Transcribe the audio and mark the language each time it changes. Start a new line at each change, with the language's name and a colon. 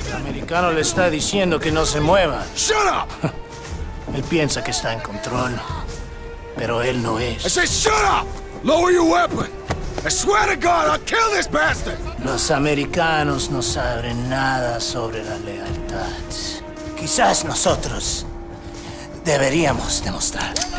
Spanish: El americano le está diciendo que no se mueva.
English: Shut up!
Spanish: Él piensa que está en control, pero él no es.
English: I said shut up! Lower your weapon! I swear to God, I'll kill this bastard!
Spanish: Los americanos no saben nada sobre la lealtad. Quizás nosotros deberíamos demostrar.